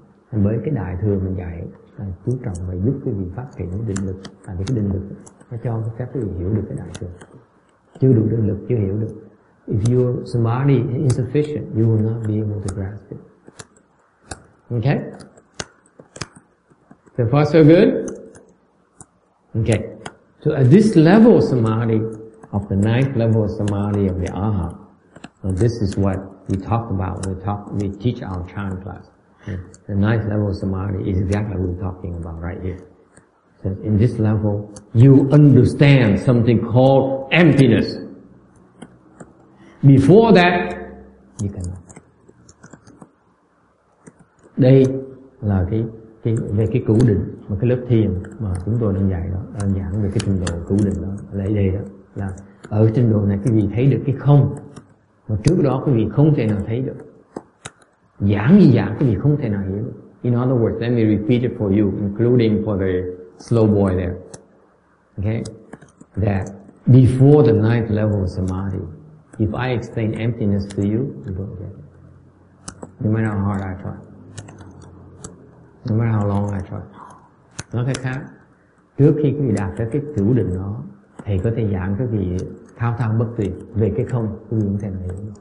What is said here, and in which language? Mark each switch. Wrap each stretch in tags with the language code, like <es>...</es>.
<vi>And bởi cái đại thừa mình dạy, chú trọng và giúp quý vị phát triển định lực, tại vì cái định lực nó cho các quý vị hiểu được cái đại thừa. Chưa đủ định lực, chưa hiểu được.</vi> <en>If your samadhi is insufficient, you will not be able to grasp it. Okay? So far so good? Okay. So at this level of samadhi, of the ninth level of samadhi of the Arhat, well, this is what we talk about when we teach our chan class. Okay? The ninth level of samadhi is exactly what we're talking about right here. So in this level, you understand something called emptiness. Before that, you cannot.</en> <vi>Đây là cái về cái cửu định mà cái lớp thiền mà chúng tôi đang dạy đó, đang giảng về cái trình độ cửu định đó. Lấy đây đó là ở trình độ này quý vị thấy được cái không mà trước đó quý vị không thể nào thấy được. Giảng gì giảng quý vị không thể nào hiểu.</vi> <en>In other words, let me repeat it for you, including for the slow boy there. Okay, that before the ninth level of samadhi. If I explain emptiness to you, you don't get it. No matter how hard I try. No matter how long I try.</en> <vi>Nói cách khác, trước khi quý vị đạt tới cái chủ định đó, thầy có thể giảng quý vị thao thao bất tuyệt về cái không, quý vị cũng thể hiểu.</vi>